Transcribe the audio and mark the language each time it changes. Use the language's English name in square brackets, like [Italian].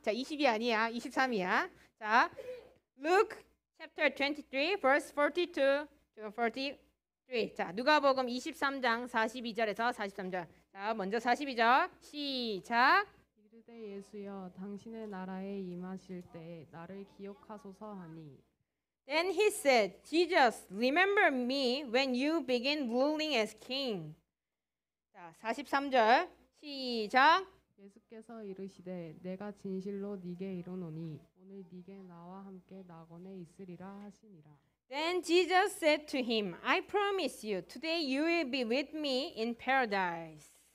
[Korean] 자, 20이 아니야. 23이야. 자, [English] Luke chapter 23 verse 42 to 43. [Korean] 자, 누가복음 23장 42절에서 43절. 자, 먼저 42절 시작. 이르되 예수여, 당신의 나라에 임하실 때 나를 기억하소서 하니. [English] Then he said, Jesus, remember me when you begin ruling as king. [Korean] 자, 43절 시작. 예수께서 이르시되 내가 진실로 네게 이르노니 오늘 네게 나와 함께 낙원에 있으리라 하시니라. [English] Then Jesus said to him, I promise you, today you will be with me in paradise.